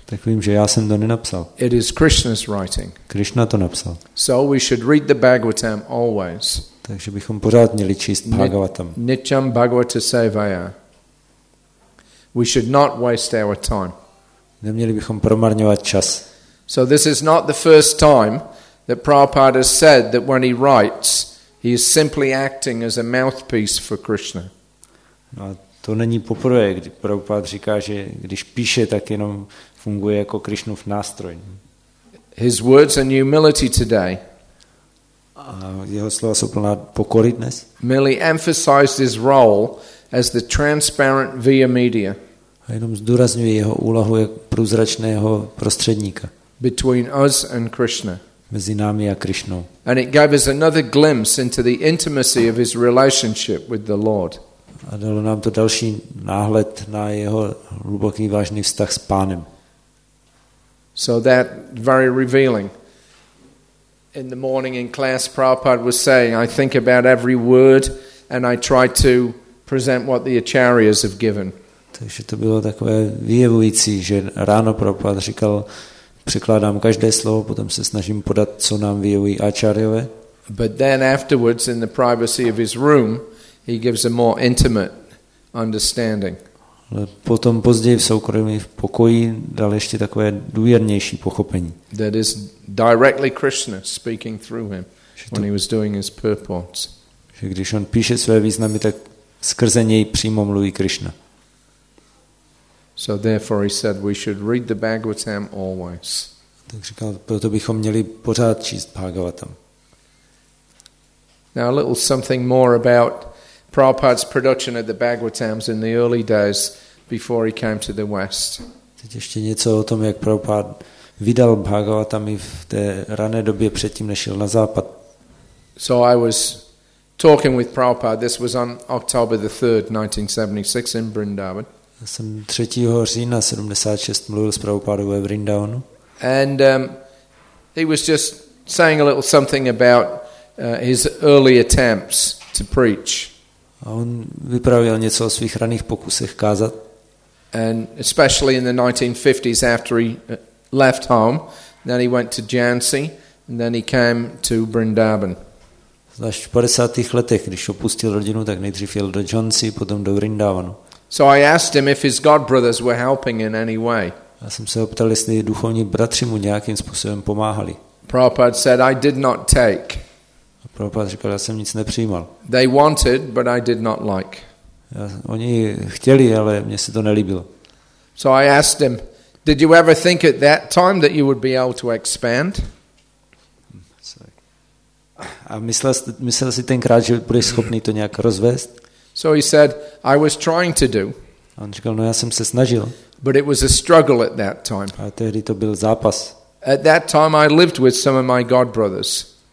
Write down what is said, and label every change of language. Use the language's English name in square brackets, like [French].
[Czech] Tak vím, že já jsem to nenapsal. [English] It is Krishna's writing. [Czech] Krishna to napsal. [English] So we should read the Bhagavatam always. [Czech] Takže bychom pořád měli číst Bhagavatam. [Sanskrit] Nityam Bhagavata Sevaya. [English] We should not waste our time. [Czech] Neměli bychom promarňovat čas. [English] So this is not the first time that Prabhupada has said that when he writes, he is simply acting as a mouthpiece for Krishna. [Czech] No, to není poprvé, kdy Prabhupada říká, že když píše, tak jenom funguje jako Krishnův nástroj. [English] His words are humility today. [Czech] A jeho slova jsou plná pokory dnes. [English] Merely emphasized his role as the transparent via media. [Czech] A jenom zdůrazňuje jeho úlohu jako průzračného prostředníka. [English] Between us and Krishna. [Czech] Mezi námi a Krishnou. [English] And it gave us another glimpse into the intimacy of his relationship with the Lord. [Czech] A dalo nám to další náhled na jeho hluboký vážný vztah s Pánem. [English] So that very revealing. In the morning in class, Prabhupada was saying, I think about every word and I try to present what the acharyas have given. [Czech] Takže to bylo takové vyjevující, že ráno Prabhupada říkal, překládám každé slovo, potom se snažím podat, co nám vyjevují acharyové. [English] But then afterwards, in the privacy of his room, he gives a more intimate understanding. [Czech] Ale potom později v soukromí v pokoji dal ještě takové důvěrnější pochopení. [English] That is directly Krishna speaking through him when he was doing his purports. [Czech] Že když on píše své významy, tak skrze něj přímo mluví Krishna. [English] So therefore he said we should read the Bhagavatam always. [Czech] Tak říkal, proto bychom měli pořád číst Bhagavatam. [English] Now a little something more about Prabhupada's production at the Bhagavatams in the early days before he came to the West. [Czech] Teď ještě něco o tom, jak Prabhupada vydal Bhagavatami v té rané době předtím, než šel na západ. [English] So I was talking with Prabhupada, this was on October the 3rd, 1976 in Vrindavan. [Czech] Já jsem 3. října 76 mluvil s Prabhupádou ve Vrindavanu. [English] And he was just saying a little something about his early attempts to preach. [Czech] A on vyprávěl něco o svých raných pokusech kázat. [English] And especially in the 1950s after he left home, then he went to Jhansi and then he came to Vrindavan. [Czech] Zvlášť v 50. letech, když opustil rodinu, tak nejdřív jel do Jhansi, potom do Vrindavanu. [English] So I asked him if his god brothers were helping in any way. [Czech] Já jsem se optal, jestli duchovní bratři mu nějakým způsobem pomáhali. [English] Prabhupada said I did not take. [Czech] Prabhupada řekl, já jsem nic nepřijímal. [English] They wanted, but I did not like. [Czech] Oni chtěli, ale mně se to nelíbilo. [English] So I asked him, did you ever think at that time that you would be able to expand? Sorry. [Czech] A myslel jsi tenkrát, že budeš schopný to nějak rozvést? [English] So he said, I was trying to do. [Czech] On říkal, no já jsem se snažil. [English] But it was a struggle at that time. [Czech] A tehdy to byl zápas. [English] At that time I lived with some of my god brothers.